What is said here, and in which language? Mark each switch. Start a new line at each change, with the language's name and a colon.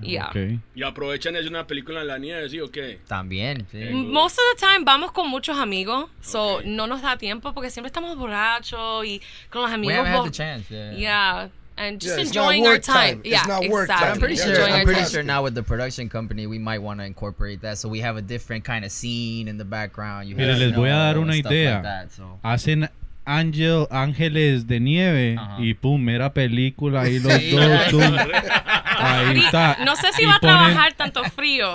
Spanish: Y aprovechan, es una película en la nieve, ¿sí o qué? También, sí.
English: Most of the time,
Spanish: vamos con muchos amigos. So, no nos da tiempo porque siempre estamos borrachos y con los amigos.
English: We haven't had the chance, yeah. Yeah. And just enjoying our time. It's not work time. I'm pretty sure now with the production company, we might want to incorporate that. So we have a different kind of scene in the background.
Spanish: You mira, les voy a dar una idea. Hacen Ángeles de Nieve y pum, mera película ahí los dos. Ahí está. No sé si va a trabajar tanto frío.